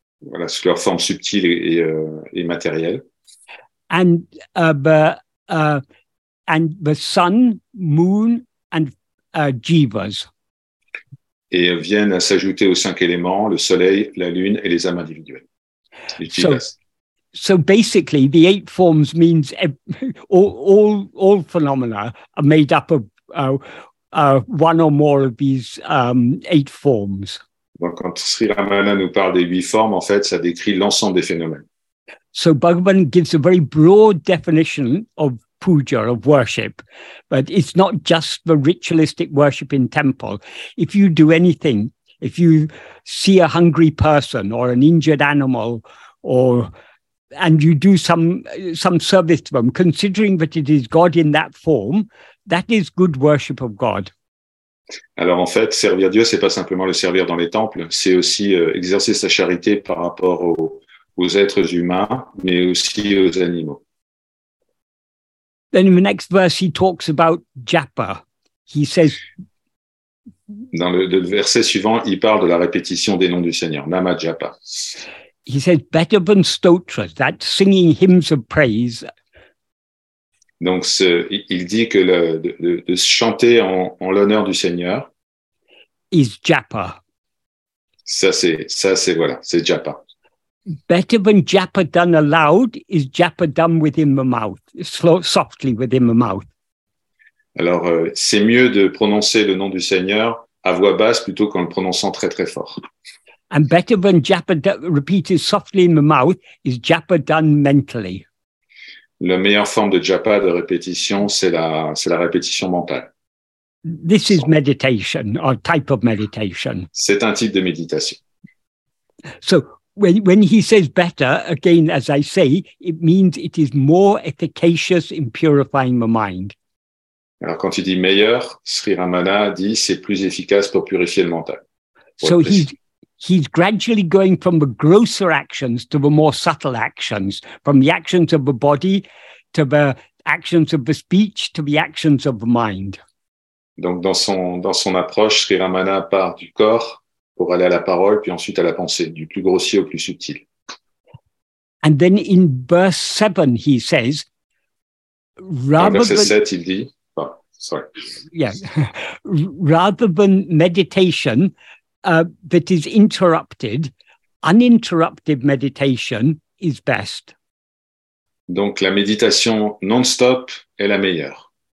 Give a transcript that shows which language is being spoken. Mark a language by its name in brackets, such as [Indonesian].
[French] Voilà, sous leur forme subtile et matérielle. [English] And the sun, moon, and jivas. [French] Et viennent à s'ajouter aux cinq éléments, le soleil, la lune et les âmes individuelles. Les jivas. [English] So basically, the eight forms means all phenomena are made up of one or more of these eight forms. [French] Donc, quand Sri Ramana nous parle des huit formes, en fait, ça décrit l'ensemble des phénomènes. [English] So Bhagavan gives a very broad definition of puja, of worship, but it's not just the ritualistic worship in temple. If you do anything, if you see a hungry person or an injured animal, or and you do some service to them, considering that it is God in that form, that is good worship of God. [French] Alors en fait, servir Dieu, c'est pas simplement le servir dans les temples, c'est aussi exercer sa charité par rapport aux êtres humains, mais aussi aux animaux. [English] Then in the next verse, he talks about japa. He says, [French] dans le verset suivant, il parle de la répétition des noms du Seigneur, nama japa. [English] He says, better than stotra, that singing hymns of praise. [French] Donc, il dit que de chanter en l'honneur du Seigneur [English] is japa. [French] C'est japa. [English] Better than japa done aloud is japa done within the mouth, softly within the mouth. [French] Alors, c'est mieux de prononcer le nom du Seigneur à voix basse plutôt qu'en le prononçant très très fort. [English] And better than japa repeated softly in the mouth is japa done mentally. [French] La meilleure forme de japa, de répétition, c'est la répétition mentale. [English] This is meditation, or type of meditation. [French] C'est un type de méditation. [English] So, when he says better, again, as I say, it means it is more efficacious in purifying the mind. [French] Alors, quand il dit meilleur, Sri Ramana dit c'est plus efficace pour purifier le mental. [English] So, he's gradually going from the grosser actions to the more subtle actions, from the actions of the body to the actions of the speech to the actions of the mind. [French] Donc, dans son approche, Sri Ramana part du corps pour aller à la parole, puis ensuite à la pensée, du plus grossier au plus subtil. [English] And then in verse 7, he says, rather than meditation that is interrupted, uninterrupted meditation is best. [French] Donc la méditation non-stop est la meilleure.